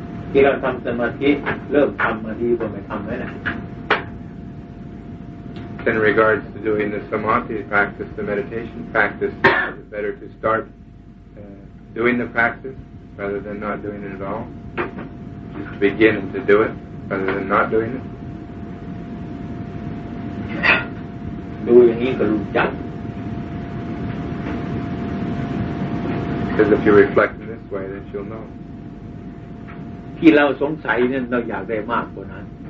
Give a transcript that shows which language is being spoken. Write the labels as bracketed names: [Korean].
[Thai] ที่เราทำสมาธิเริ่มทำมาดีกว่าไม่ทำไ หมนะ [English] In regards to doing the samadhi practice, the meditation practice, is it better to start doing the practice rather than not doing it at all? Just to begin to do it rather than not doing it? [Thai] ดูอย่างนี้ก็รู้จัก [English] Because if you reflect in this way, then you'll know. [Thai] ที่เราสงสัยนั่นเราอยากได้มากกว่านั้น